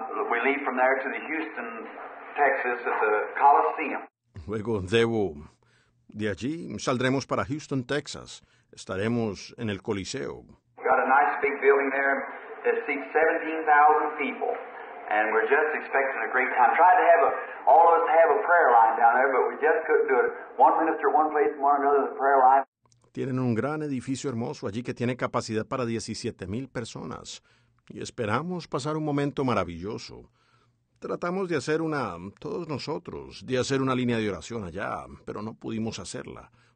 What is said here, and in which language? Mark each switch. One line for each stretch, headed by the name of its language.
English: We leave from there to the Houston, Texas, at the Coliseum.
Spanish: Luego debo. De allí saldremos para Houston, Texas. Estaremos en el Coliseo.
English: Got a nice big building there that seats 17,000 people. And we're just expecting a great time. Tried to have all of us have a prayer line down there, but we just couldn't do it. One minister, one place, one another, the prayer line.
Spanish: Tienen un gran edificio hermoso allí que tiene capacidad para 17,000 personas. Y esperamos pasar un momento maravilloso. Tratamos de hacer una, todos nosotros, de hacer una línea de oración allá, pero no pudimos hacerla.